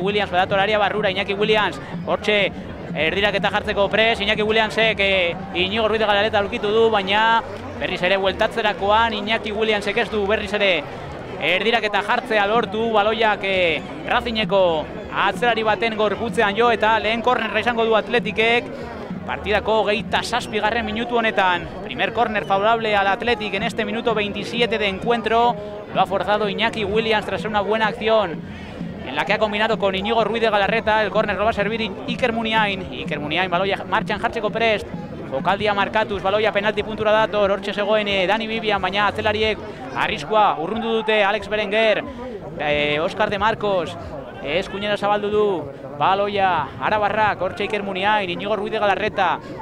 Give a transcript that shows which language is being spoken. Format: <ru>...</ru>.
<eu>badator aria barrura, Iñaki Williams, hortxe, erdirak eta jartzeko prez, Iñaki Williamsek Inigo Ruiz de Galarreta lukitu du, baina berriz ere bueltatzerakoan Iñaki Williamsek ez du berriz ere erdirak eta jartzea lortu, baloiak Racingeko atzelari baten gorputzean jo eta lehen kornerra izango du Athleticek. Partidako 27. Minutu honetan,</eu> <es>primer corner favorable al Athletic en este minuto 27 de encuentro. Lo ha forzado Iñaki Williams tras una buena acción en la que ha combinado con Iñigo Ruiz de Galarreta. El corner lo va a servir Iker Muniain.</es> <eu>Iker Muniain, baloia martxan jartxeko prest. Jokaldia markatuz, baloia penalti puntura dator. Hortxe zegoen Dani Vivian, baina atzelariek arriskua urrundu dute Alex Berenguer. Oscar de Marcos, eskuinera zabaldu du. Baloia, Arabarrak, hortxe Iker Muniain, Iñigo Ruiz de Galarreta.</eu>